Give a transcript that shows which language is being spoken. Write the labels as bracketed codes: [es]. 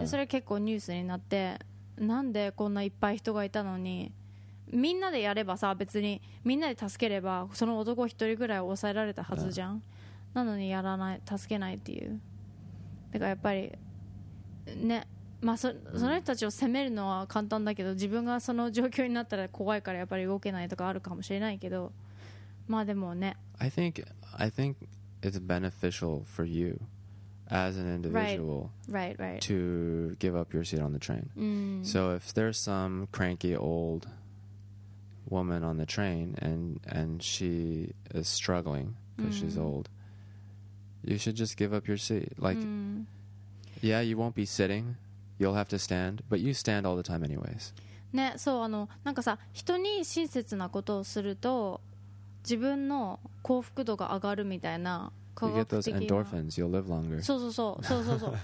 [ja] でそれ結構ニュースになって、なんでこんないっぱい人がいたのに、みんなでやればさ、別にみんなで助ければその男一人ぐらい抑えられたはずじゃん。なのにやらない、助けないっていう。だからやっぱりね、まあ、その人たちを責めるのは簡単だけど、自分がその状況になったら怖いからやっぱり動けないとかあるかもしれないけど、まあでもね、 [en] I think it's beneficial for you as an individual to give up your seat on the train. So if there's some cranky old woman on the train and she is struggling because she's old, you should just give up your seat. Like, yeah, you won't be sitting. You'll have to stand, but you stand all the time anyways. [ja] ね、そう、あの、なんかさ、人に親切なことをすると自分の幸福度が上がるみたいな、科学的な。 [en] You get those endorphins, you'll live longer. [ja] そうそうそう、そうそうそう。